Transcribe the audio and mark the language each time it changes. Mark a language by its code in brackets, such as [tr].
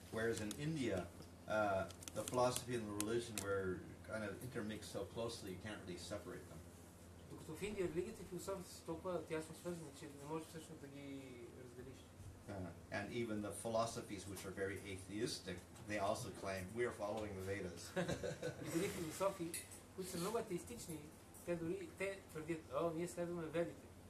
[en] Whereas in India, the philosophy and the religion were kind of intermixed so closely you can't really separate them. [bg] Докато в Индия религията и философията са толкова тясно свързани, че не можеш всъщност да ги разделиш. [en] And even the philosophies which are very atheistic, they also claim we are following the Vedas. [bg] Дори философи, които са много атеистични, те дори те твърдят, о, ние следваме Ведите.